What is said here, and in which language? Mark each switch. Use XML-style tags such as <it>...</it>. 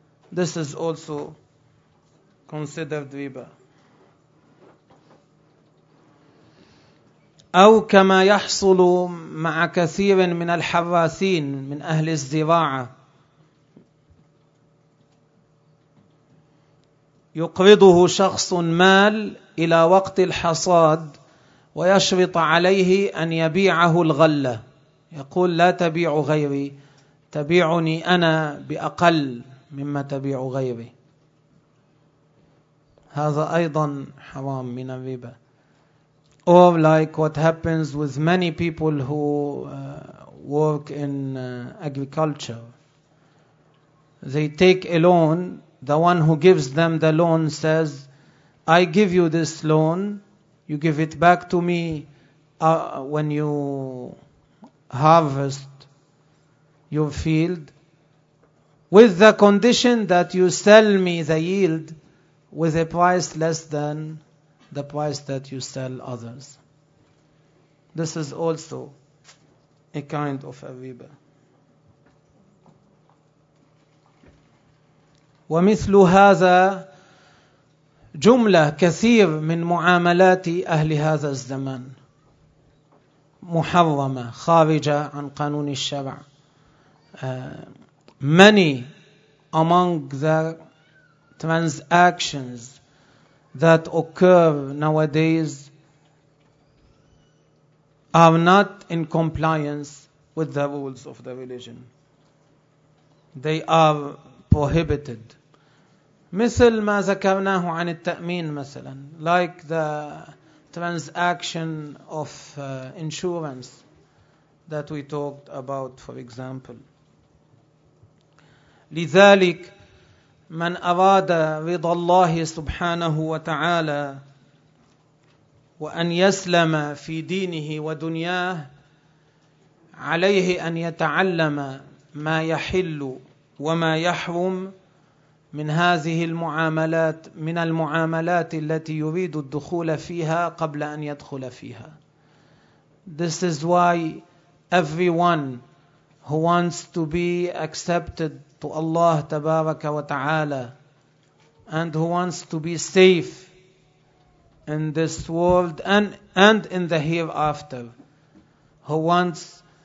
<en>This is also considered riba.</en> <ar>أو كما يحصل مع كثير من الحراثين من أهل الزراعة يقرضه شخص مال إلى وقت الحصاد ويشرط عليه أن يبيعه الغلة، يقول لا تبيع غيري، تبيعني أنا بأقل مما تبيع غيري. هذا أيضا حرام من الربا.</ar> <en>Or like what happens with many people who work in agriculture. They take a loan. The one who gives them the loan says, I give you this loan. You give it back to me when you harvest your field, with the condition that you sell me the yield with a price less than the price that you sell others. This is also a kind of a riba.</en> <ar>ومثل هذا جملة كثير من معاملات أهل هذا الزمان محرمة خارجة عن قانون الشرع.</ar> <en>Many among the transactions that occur nowadays are not in compliance with the rules of the religion. They are prohibited.</en> <ar>مثل ما ذكرناه عن التأمين مثلا,</ar> <en>like the transaction of insurance that we talked about, for example.</en> <ar>لذلك من أراد رضا الله سبحانه وتعالى وأن يسلم في دينه ودنياه عليه أن يتعلم ما يحل وما يحرم من هذه المعاملات, من المعاملات التي يريد الدخول فيها قبل أن يدخل فيها.</ar> <en>This is why everyone who wants to be accepted to Allah Tabaraka wa Ta'ala and who wants to be safe in this world and in the hereafter, who wants</en>